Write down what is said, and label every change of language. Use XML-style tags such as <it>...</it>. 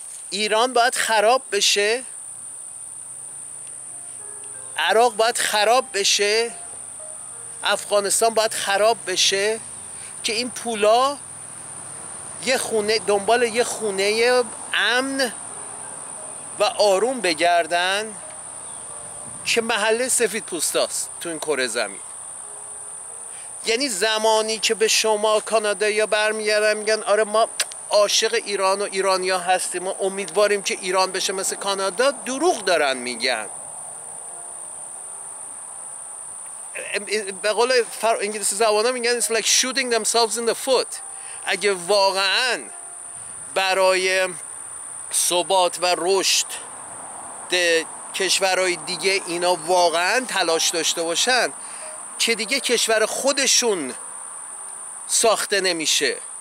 <fa>ایران باید خراب بشه، عراق باید خراب بشه، افغانستان باید خراب بشه که این پولا یه خونه دنبال یه خونه امن و آروم بگردن که محله سفید پوستاست تو این کره زمین. یعنی زمانی که به شما کانادایی‌ها برمیگردن میگن آره ما عاشق ایران و ایرانی ها هستیم، ما امیدواریم که ایران بشه مثل کانادا، دروغ دارن میگن. به قول انگلیسی زبان ها میگن</fa> <en>it's like shooting themselves in the foot.</en> <fa>اگه واقعا برای ثبات و رشد کشورهای دیگه اینا واقعا تلاش داشته باشن که دیگه کشور خودشون ساخته نمیشه.</fa>